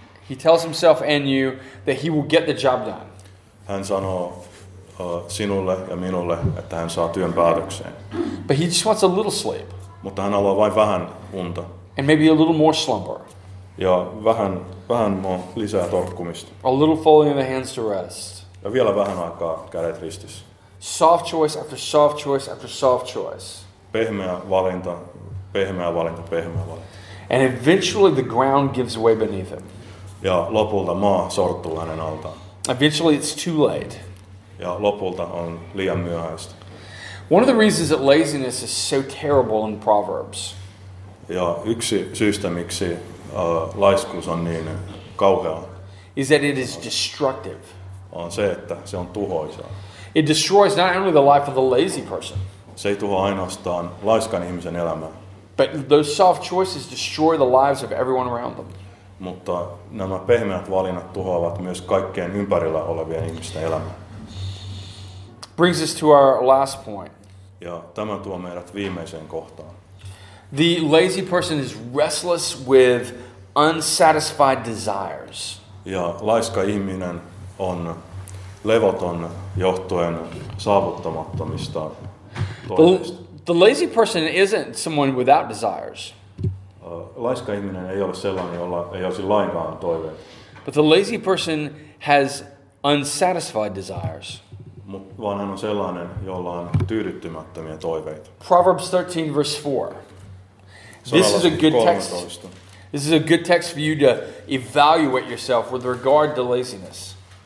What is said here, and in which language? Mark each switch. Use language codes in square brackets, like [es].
[en] He tells himself and you that he will get the job done. [fi] Hän sanoo sinulle ja minulle, että hän saa työn päätökseen. [en] But he just wants a little sleep. [fi] Mutta hän haluaa vain vähän unta. [en] And maybe a little more slumber. [fi] Ja vähän lisää torkkumista. [en] A little folding of the hands to rest. [fi] Ja vielä vähän aikaa kädet ristissä. [en] Soft choice after soft choice after soft choice. [fi] Pehmeä valinta, pehmeä valinta, pehmeä valinta. [en] And eventually the ground gives way beneath him. [fi] Ja lopulta maa sortuu hänen altaan. [en] Eventually it's too late. [fi] Ja lopulta on liian myöhäistä. [en] One of the reasons that laziness is so terrible in Proverbs. [fi] Ja yksi syystä, miksi laiskuus on niin kauhea. [en] Is that it is destructive. [fi] On se, että se on tuhoisaa. [en] It destroys not only the life of the lazy person. [fi] Se ei tuhoa ainoastaan laiskan ihmisen elämää. [en] But those soft choices destroy the lives of everyone around them. [fi] Mutta nämä pehmeät valinnat tuhoavat myös kaikkien ympärillä olevien ihmisten elämää. [en] Brings us to our last point. [fi] Ja tämä tuo meidät viimeiseen kohtaan. [en] The lazy person is restless with unsatisfied desires. [fi] Ja laiska ihminen on levoton johtuen saavuttamattomista toiveista. [en] The lazy person isn't someone without desires. [fi] Laiska ihminen ei ole sellainen, jolla ei olisi lainkaan toiveita. [en] But the lazy person has unsatisfied desires. [fi] Vaan hän on sellainen, jolla on tyydyttymättömiä toiveita. [en] Proverbs 13 verse 4. This is a good text. This is a good text for you to evaluate yourself with regard to laziness.